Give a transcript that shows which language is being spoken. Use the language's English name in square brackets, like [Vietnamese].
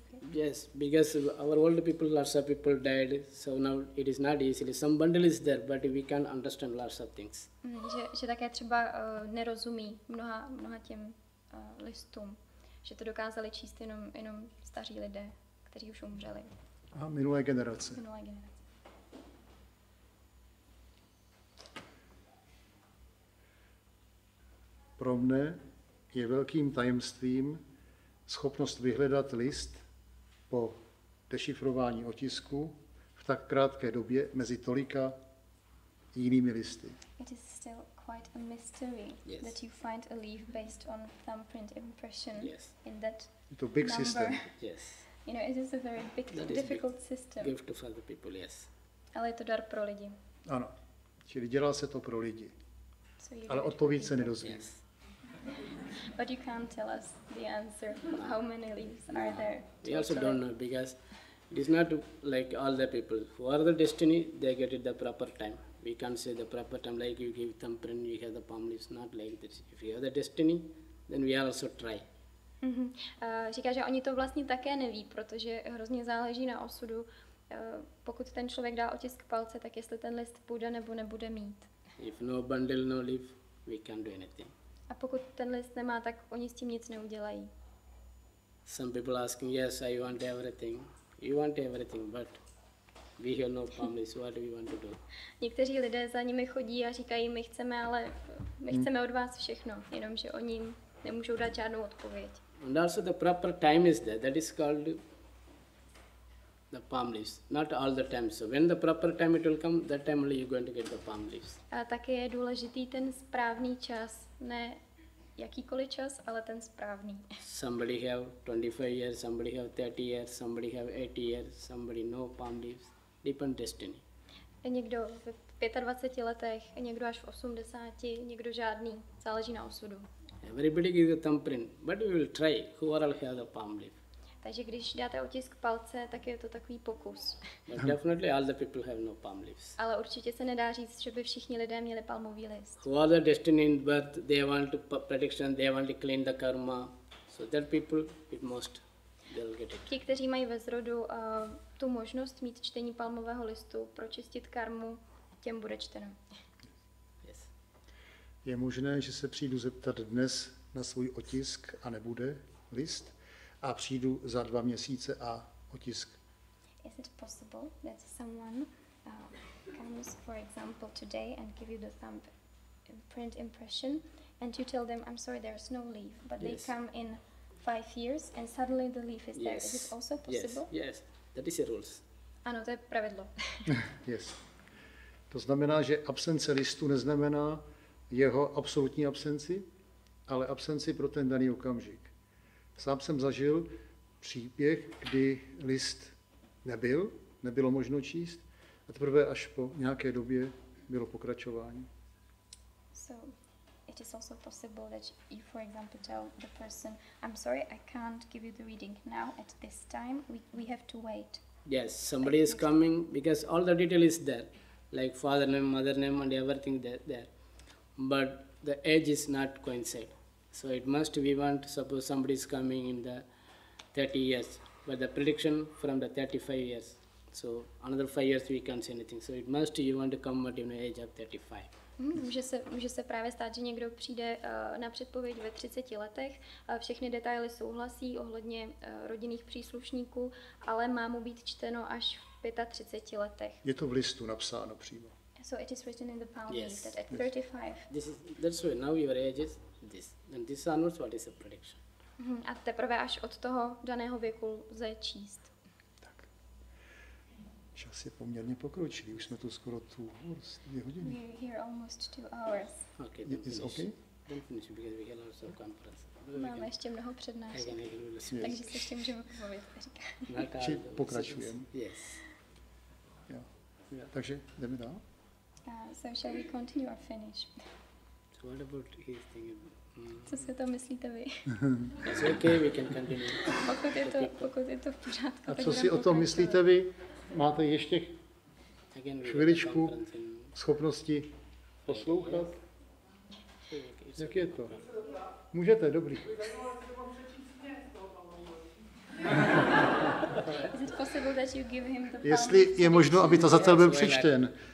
[English] Yes, because our old people, lots of people died, so now it is not easy. Some bundle is there, but we can't understand lots of things. [Czech] Že také třeba nerozumí mnoha těm listům, že to dokázali číst jenom staří lidé, kteří už umřeli. A minulé generace. Minulé generace. Pro mne je velkým tajemstvím schopnost vyhledat list po dešifrování otisku v tak krátké době mezi tolika jinými listy. [English] It is still quite a mystery, yes, that you find a leaf based on thumbprint impression, yes, in that to big number. System. Yes. You know, it is a very big, that difficult big system. Gift to for the people, yes. [Czech] Ale je to dar pro lidi. Ano. Čili dělá se to pro lidi. [English] So [Czech] ale odpověď se nedozví. [English] Yes. But you can't tell us the answer of how many leaves are there. We also don't know because it is not like all the people who are the destiny, they get it the proper time. We can't say the proper time like you give thumbprint, you have the palm leaves, not like this. If you have the destiny, then we also try. Mm-hmm. [Czech] Říká, že oni to vlastně také neví, protože hrozně záleží na osudu. Pokud ten člověk dá otisk palce, tak jestli ten list půjde nebo nebude mít. [English] If no bundle, no leaf, we can't do anything. [Czech] A pokud ten list nemá, tak oni s tím nic neudělají. [English] Some people ask me, yes, I want everything. You want everything, but we have no palm leaves, what do we want to do? [Czech] Někteří lidé za nimi chodí a říkají, my chceme, ale my chceme od vás všechno, jenomže oni jim nemůžou dát žádnou odpověď. [English] And also the proper time is there, that is called the palm leaves, not all the time. So when the proper time it will come, that time only you're going to get the palm leaves. [Czech] A taky je důležitý ten správný čas. Ne jakýkoliv čas, ale ten správný. [English] Somebody have 25 years, somebody have 30 years, somebody have 80 years, somebody no palm leaves, depend destiny. [Czech] Někdo v 25 letech, někdo až v 80, někdo žádný, záleží na osudu. [English] Everybody give the thumbprint, but we will try who all have the palm leaf. [Czech] Takže když dáte otisk palce, tak je to takový pokus. [English] But definitely all the people have no palm leaves. [Czech] Ale určitě se nedá říct, že by všichni lidé měli palmový list. [English] Who are the destined birth, they want to prediction, they want to clean the karma. So that people, it most, they'll get it. [Czech] Ti, kteří mají ve zrodu tu možnost mít čtení palmového listu, pročistit karmu, těm bude čteno. [English] Yes. [Czech] Je možné, že se přijdu zeptat dnes na svůj otisk a nebude list? A přijdu za dva měsíce a otisk. [English] Is it possible that someone comes, for example, today and give you the thumb print impression and you tell them, I'm sorry, there's no leaf, but yes, they come in 5 years and suddenly the leaf is yes there. Is it also possible? Yes, yes, that is the rules. [Czech] Ano, to je pravidlo. [English] Yes. [Czech] To znamená, že absence listu neznamená jeho absolutní absenci, ale absenci pro ten daný okamžik. Sám jsem zažil příběh, kdy list nebyl, nebylo možno číst, a teprve až po nějaké době bylo pokračování. [English] So it is also possible that you, for example, tell the person, I'm sorry, I can't give you the reading now at this time. We have to wait. Yes, somebody is coming because all the detail is there, like father name, mother name, and everything there. But the age is not coincide. So it must be want, suppose somebody is coming in the 30 years, but the prediction from the 35 years. So another 5 years we can't say anything. So it must you want to come at an age of 35. [Czech] Může se právě stát, že někdo přijde na předpověď ve 30 letech, všechny detaily souhlasí ohledně rodinných příslušníků, ale má mu být čteno až v 35 letech. Je to v listu napsáno přímo. [English] So it is written in the palm leaf, yes, that at 35. This is, that's why now your age is this. And this onwards, what is the prediction? [Czech] A teprve až od toho daného věku lze číst. Tak. Čas je poměrně pokročilý. Už jsme tu skoro tu dvě hodiny. [English] We're here almost 2 hours. Okay, don't finish. Okay? Don't finish, because we have also conference. [Czech] Máme ještě mnoho přednášek, [English] yes, [Czech] takže se ještě můžeme povědět. Či pokračujeme? [English] Yes. Yeah. [Czech] Takže jdeme dál? [English] So shall we continue or finish? So what about his thing? [Czech] Co si to myslíte vy? [English] It's okay, we can continue. [Czech] Pokud je to v pořádku. A co si o tom myslíte vy? Máte ještě chviličku schopnosti poslouchat? Jak je to? Můžete, dobrý. [English] Is it possible that you give him the? [Czech] Jestli je možno, aby to za tebe byl přečten.